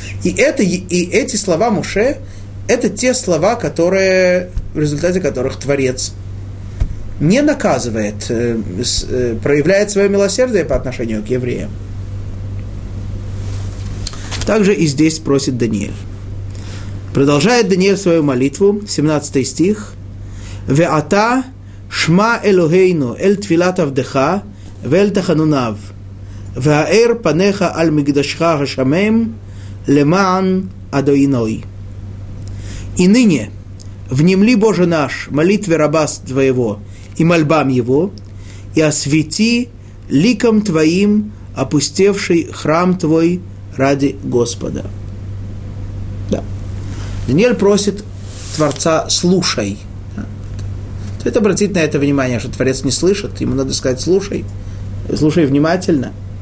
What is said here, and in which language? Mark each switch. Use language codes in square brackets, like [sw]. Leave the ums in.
[ru] И, это, и эти слова Муше, это те слова, которые, в результате которых Творец не наказывает, проявляет свое милосердие по отношению к евреям. Также и здесь просит Даниил. Продолжает Даниил свою молитву, 17 стих. [he] «Веата шма элохейну эль твилат авдеха вель таханунав». והאר פניך על מקדשך השמם למען אדוני. [ru] И ныне, внемли, Боже наш, молитве раба Твоего и мольбам Его, и освети ликом Твоим опустевший храм Твой ради Господа. Да. Даниэль просит Творца «слушай». Это обратит на это внимание, что Творец не слышит, ему надо сказать «слушай», «слушай внимательно».